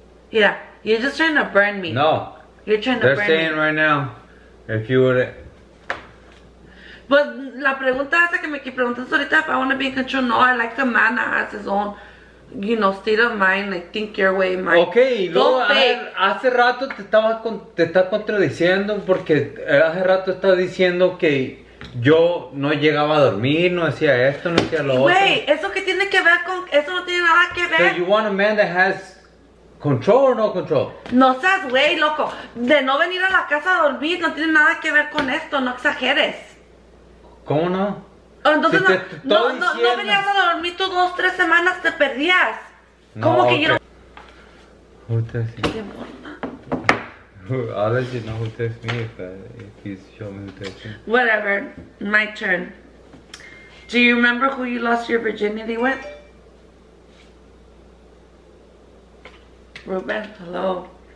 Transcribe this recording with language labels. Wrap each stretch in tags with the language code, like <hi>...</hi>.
<en>Yeah. You're just trying to burn me. No. You're trying to burn me. They're saying right now, if you would... But</en> <es>la pregunta esa que me aquí preguntas ahorita,</es> <en>if I want to be in control, no, I like the man that has his own, you know, state of mind, like, think your way, mind.</en> <es>Okay, luego, hace rato te estaba contradiciendo, porque hace rato estaba diciendo que yo no llegaba a dormir, no hacía esto, no hacía lo</es> <en>wait,</en> <es>otro. Wait, eso que tiene que ver con, eso no tiene nada que ver.</es> <en>So you want a man that has...</en> <es>¿Control o no control? No seas güey, loco. De no venir a la casa a dormir no tiene nada que ver con esto. No exageres. ¿Cómo no? Entonces si no venías a dormir tú 2-3 semanas, te perdías. No, ¿cómo que okay. Yo</es> <en>no? Who tests me?</en> <es>¿Qué morna?</es> <en>I'll let you know who tests me if he's showing me who tests me. Whatever. My turn. Do you remember who you lost your virginity with? Ruben, hello.</en>